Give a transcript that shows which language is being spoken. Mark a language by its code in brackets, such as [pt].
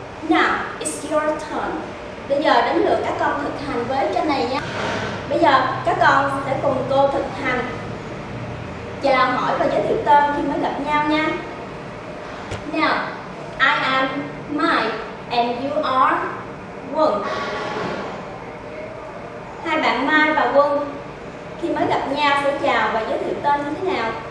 [en] Now it's your turn. [vi] Bây giờ đến lượt các con thực hành với trên này nhé. Bây giờ các con sẽ cùng cô thực hành chào hỏi và giới thiệu tên khi mới gặp nhau nha. [en] Now, I am Mai and you are Wong. [vi] Hai bạn Mai và Wong khi mới gặp nhau sẽ chào và giới thiệu tên như thế nào?